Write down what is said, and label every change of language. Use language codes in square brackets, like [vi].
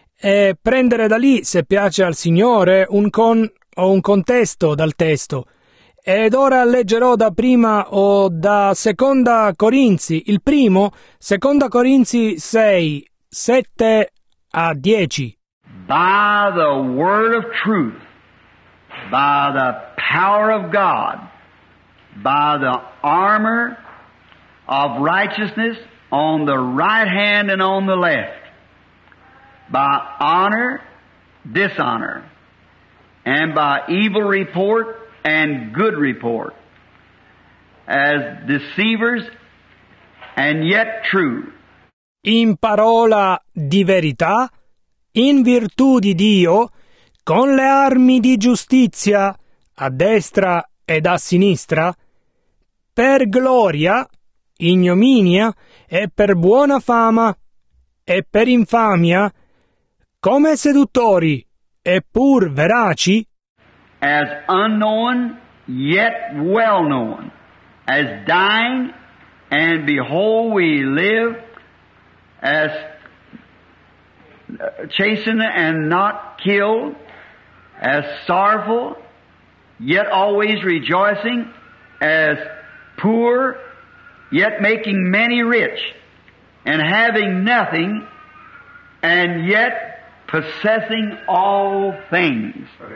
[it] E prendere da lì, se piace al Signore, un contesto dal testo. Ed ora leggerò da prima o da Seconda Corinzi, il primo, Seconda Corinzi 6, 7 a 10. [en] By the word of truth, by the power of God, by the armor of righteousness on the right hand and on the left, by honor, dishonor, and by evil report, and good report, as deceivers and yet true. [it] In parola di verità, in virtù di Dio, con le armi di giustizia, a destra ed a sinistra, per gloria, ignominia, e per buona fama, e per infamia, come seduttori, e pur veraci, [en] as unknown yet well known, as dying, and behold, we live, as chastened and not killed, as sorrowful, yet always rejoicing, as poor, yet making many rich, and having nothing, and yet possessing all things.